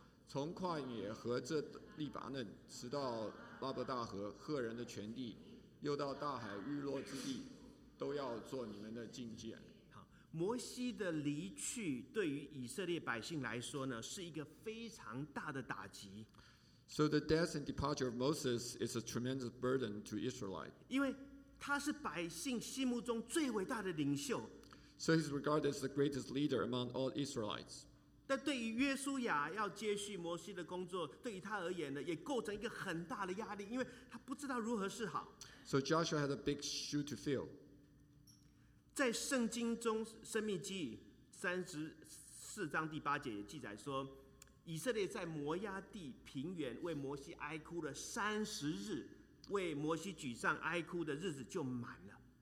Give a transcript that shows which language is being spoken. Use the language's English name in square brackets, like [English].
[Chinese] 从旷野和这利巴嫩，直到拉伯大河赫人的全地，又到大海日落之地，都要做你们的境界。好，摩西的离去对于以色列百姓来说呢，是一个非常大的打击。 [English] So the death and departure of Moses is a tremendous burden to Israelites. [Chinese] 因为他是百姓心目中最伟大的领袖。 [English] So he's regarded as the greatest leader among all Israelites. [Chinese] 但对于约书亚要接续摩西的工作，对于他而言呢，也构成一个很大的压力，因为他不知道如何是好。 [English] So Joshua had a big shoe to fill. [Chinese] 在圣经中，《申命记》34:8也记载说，以色列在摩押地平原为摩西哀哭了30日，为摩西沮丧哀哭的日子就满了。